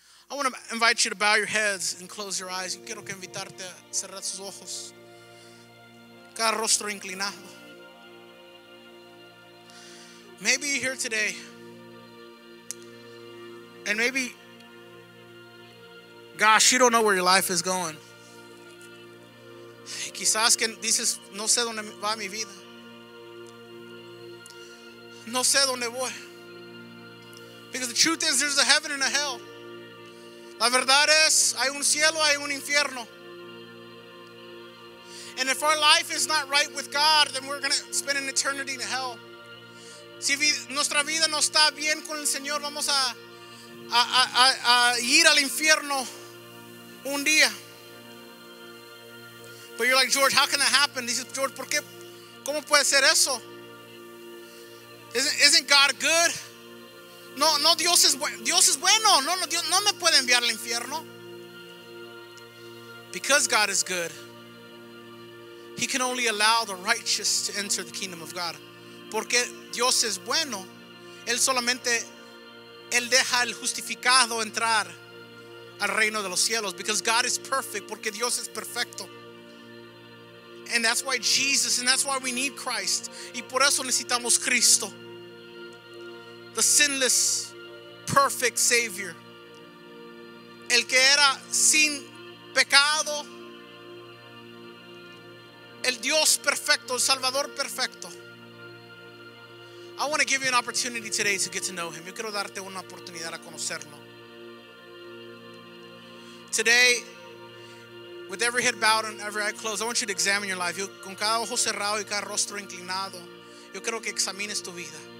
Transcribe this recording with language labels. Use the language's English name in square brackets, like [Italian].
[English] I want to invite you to bow your heads and close your eyes. [Spanish] Yo quiero que invitarte a cerrar sus ojos. Cada rostro inclinado. [English] Maybe you're here today. And maybe, gosh, you don't know where your life is going. [Spanish] Quizás que dices, no sé dónde va mi vida. No sé dónde voy. [English] Because the truth is, there's a heaven and a hell. [Spanish] La verdad es, hay un cielo, hay un infierno. [English] And if our life is not right with God, then we're going to spend an eternity in hell. [Spanish] Si nuestra vida no está bien con el Señor, vamos a ir al infierno un día. [English] But you're like, George, how can that happen? He says, [Spanish] George, ¿por qué? ¿Cómo puede ser eso? [English] Isn't God good? [Spanish] No, Dios es bueno. No, Dios no me puede enviar al infierno. [English] Because God is good, he can only allow the righteous to enter the kingdom of God. [Spanish] Porque Dios es bueno, él deja al justificado entrar al reino de los cielos. [English] Because God is perfect, [Spanish] porque Dios es perfecto. [English] And that's why Jesus, and that's why we need Christ. [Spanish] Y por eso necesitamos Cristo. [English] The sinless, perfect Savior. [Spanish] El que era sin pecado. El Dios perfecto, el Salvador perfecto. [English] I want to give you an opportunity today to get to know him. [Spanish] Yo quiero darte una oportunidad a conocerlo. [English] Today, with every head bowed and every eye closed, I want you to examine your life. [Spanish] Con cada ojo cerrado y cada rostro inclinado, yo quiero que examines tu vida.